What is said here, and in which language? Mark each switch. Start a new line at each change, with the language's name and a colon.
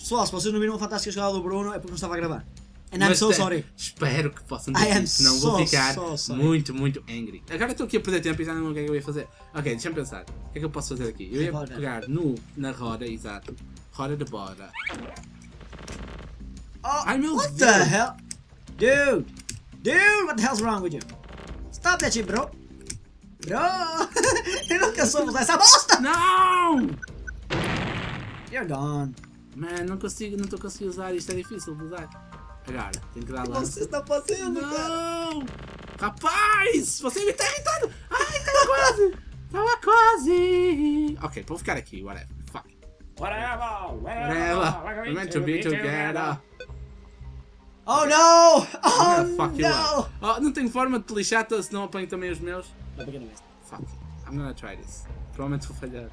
Portuguese: Pessoal, se vocês não viram a fantástica jogada do Bruno, é porque não estava a gravar.
English: And I'm so sorry.
Portuguese: Espero que possam dizer, senão vou ficar muito, muito angry. Agora estou aqui a perder tempo e já não sei o que é que eu ia fazer. Ok, deixa-me pensar. O que é que eu posso fazer aqui? Eu ia pegar na roda, exato. Roda de bora. Oh, ai, meu what Deus.
English: The hell? Dude, what the hell's wrong with you? Stop that shit, bro! Bro!
Portuguese: Eu nunca soube usar essa bosta! Não!
English: You're gone. Man,
Portuguese: não consigo, não estou conseguindo usar isto, é difícil de usar. Agora, tem que dar lá. Você está fazendo, não. Cara? Não! Rapaz! Você me está irritando! Ai, estava quase! Estava quase! Ok, vou ficar aqui, whatever.
English: Fuck. Whatever! We're meant to be together! Oh no! Oh fuck no! You up.
Portuguese: Oh, não tenho forma de te lixar, se não apanho também os meus.
English: Fuck. I'm gonna try this.
Portuguese: Provavelmente vou falhar.